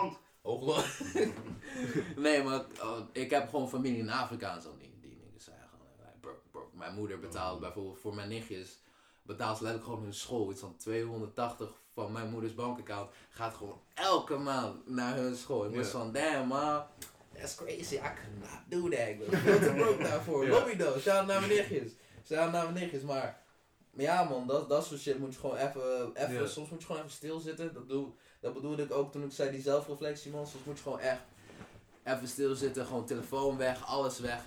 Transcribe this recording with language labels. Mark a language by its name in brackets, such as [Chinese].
[Dutch] Dan, Hoogland! Nee, maar ik heb gewoon familie in Afrika en zo, die dingen zijn gewoon, mijn moeder betaalt bijvoorbeeld voor mijn nichtjes, betaalt ze letterlijk gewoon hun school, iets van 280 van mijn moeders bankaccount, gaat gewoon elke maand naar hun school. Ik was van, [English] damn man, that's crazy, I cannot do that. [Dutch] Ik ben veel te broke daarvoor. Lobby though, shout-out naar mijn nichtjes. Shout-out naar mijn nichtjes, maar ja man, dat soort shit moet je gewoon even soms moet je gewoon even stilzitten. Dat bedoelde ik ook toen ik zei die zelfreflectie, man. Soms moet je gewoon echt even stilzitten, gewoon telefoon weg, alles weg.